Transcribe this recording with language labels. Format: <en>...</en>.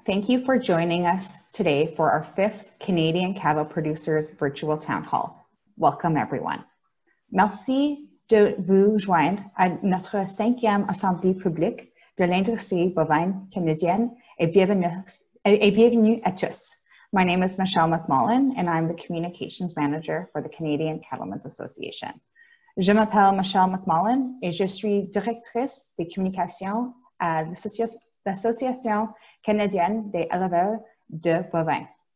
<en>Thank you for joining us today for our fifth Canadian Cattle Producers Virtual Town Hall. Welcome, everyone.</en> <fr>Merci de vous joindre à notre cinquième assemblée publique de l'industrie bovine canadienne et bienvenue à tous.</fr> <en>My name is Michelle McMullen, and I'm the communications manager for the Canadian Cattlemen's Association.</en> <fr>Je m'appelle Michelle McMullen et je suis directrice des communications à l'Association canadienne des éleveurs de bovins.</fr>